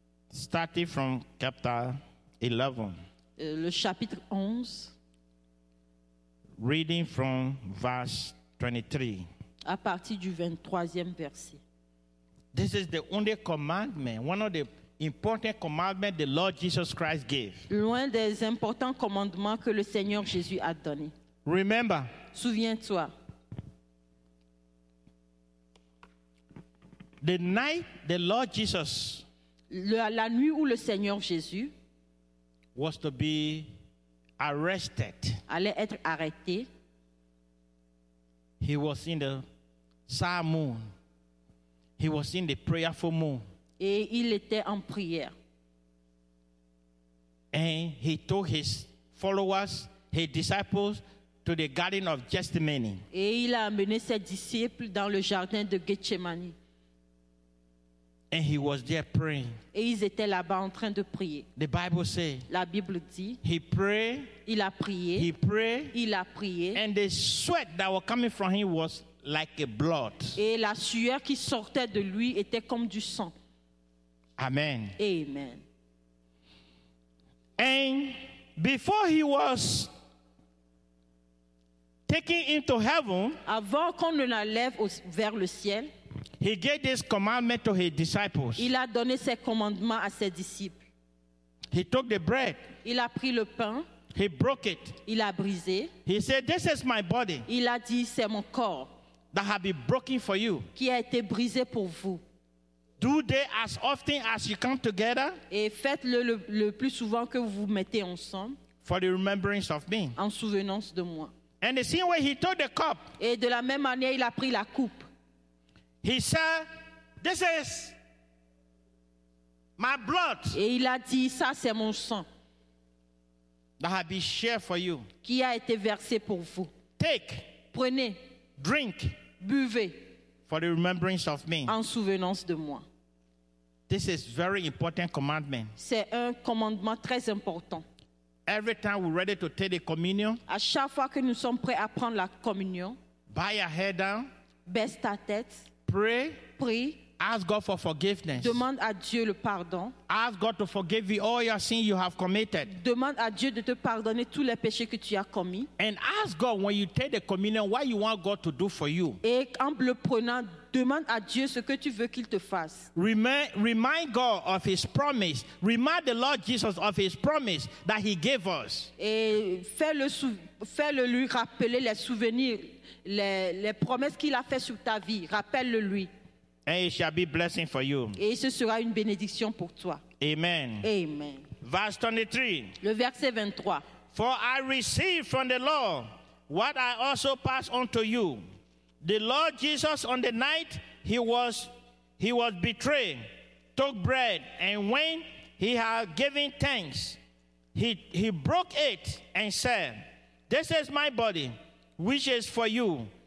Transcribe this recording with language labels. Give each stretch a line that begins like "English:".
English: Starting from chapter 11.
French: Le chapitre 11.
English: Reading from verse 23.
French: À partir du 23e verset.
English: This is the only commandment, one of the important commandment the Lord Jesus Christ gave.
French: L'un des importants commandements que le Seigneur Jésus a donné.
English: Remember.
French: Souviens-toi.
English: The night the Lord Jesus
French: la nuit où le Seigneur Jésus
English: was to be arrested.
French: Allait être arrêté.
English: He was in the psalm. He was in the prayerful mood.
French: Et il était en prière.
English: And he took his followers, his disciples, to the Garden of Gethsemane.
French: Et il a amené ses disciples dans le jardin de Gethsemane.
English: And he was there praying.
French: Et ils étaient là-bas en train de prier.
English: The Bible says.
French: La Bible dit.
English: He prayed.
French: Il a prié.
English: He prayed.
French: Il a prié.
English: And the sweat that was coming from him was like a blood.
French: Et la sueur qui sortait de lui était comme du sang. Amen. Amen.
English: And before he was taken into heaven,
French: avant qu'on ne l'enlève vers le ciel,
English: he gave this commandment to his disciples.
French: Il a donné ses commandements à ses disciples.
English: He took the bread.
French: Il a pris le pain.
English: He broke it.
French: Il a brisé.
English: He said, "This is my body."
French: Il a dit, c'est mon corps.
English: That have been broken for you.
French: Qui a été brisé pour vous.
English: Do they as often as you come together?
French: Et faites-le le plus souvent que vous vous mettez ensemble.
English: For the remembrance of me.
French: En souvenance de moi.
English: And the same way he took the cup.
French: Et de la même manière, il a pris la coupe.
English: He said, "This is my blood."
French: Et il a dit, ça c'est mon sang.
English: That have been shared for you.
French: Qui a été versé pour vous.
English: Take.
French: Prenez.
English: Drink.
French: Buvez.
English: For the remembrance of me.
French: En souvenance de moi.
English: This is very important commandment.
French: C'est un commandement très important.
English: Every time we're ready to take the communion.
French: À chaque fois que nous sommes prêts à prendre la communion.
English: Bow your head down.
French: Baisse ta tête.
English: Pray.
French: Prie.
English: Ask God for forgiveness.
French: Demande à Dieu le pardon.
English: Ask God to forgive you all your sins you have committed.
French: Demande à Dieu de te pardonner tous les péchés que tu as commis.
English: And ask God when you take the communion what you want God to do for you.
French: Et en le prenant, demande à Dieu ce que tu veux qu'il te fasse.
English: Remind God of His promise. Remind the Lord Jesus of His promise that He gave us.
French: Et fais-le lui rappeler les souvenirs, les promesses qu'il a fait sur ta vie. Rappelle-le lui.
English: And it shall be a blessing for you.
French: Et ce sera une bénédiction pour toi. Amen. Amen.
English: Verse 23.
French: Le verset 23.
English: For I received from the Lord what I also pass on to you. The Lord Jesus, on the night he was betrayed, took bread, and when he had given thanks, he broke it and said, "This is my body, which is for you.